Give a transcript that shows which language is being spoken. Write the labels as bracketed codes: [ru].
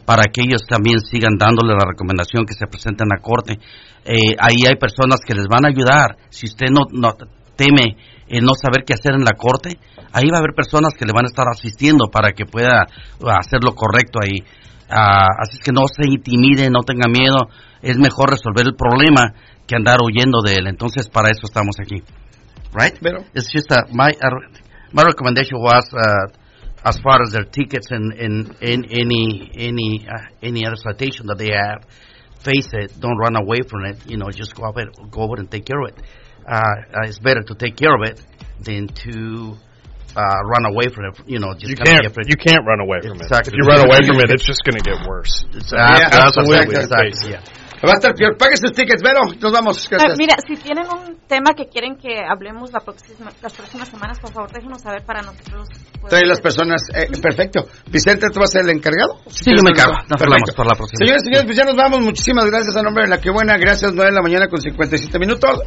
[es] para que ellos también sigan dándole la recomendación, que se presenten a corte. Ahí hay personas que les van a ayudar. Si usted no teme el no saber qué hacer en la corte, ahí va a haber personas que le van a estar asistiendo para que pueda hacer lo correcto ahí. Así es que no se intimide, no tenga miedo, es mejor resolver el problema que andar huyendo de él. Entonces, para eso estamos aquí. Right? Pero, [en] it's just my recommendation was as far as their tickets and in any other citation that they have, face it, don't run away from it, you know, just go over and take care of it. It's better to take care of it than to run away from it, you know. Just you can't run away from it. Exactly. If you run away from it, it's just going to get worse. Exactly. [es] Va a estar peor. Pague sus tickets, pero nos vamos. Mira, si tienen un tema que quieren que hablemos las próximas semanas, por favor, déjenos saber para nosotros. Trae las personas. Perfecto. Vicente, ¿tú vas a ser el encargado? Sí, yo me encargo. Nos hablamos por la próxima. Señores, señores, pues ya nos vamos. Muchísimas gracias a nombre de La Que Buena. Gracias, 9 de la mañana con 57 minutos.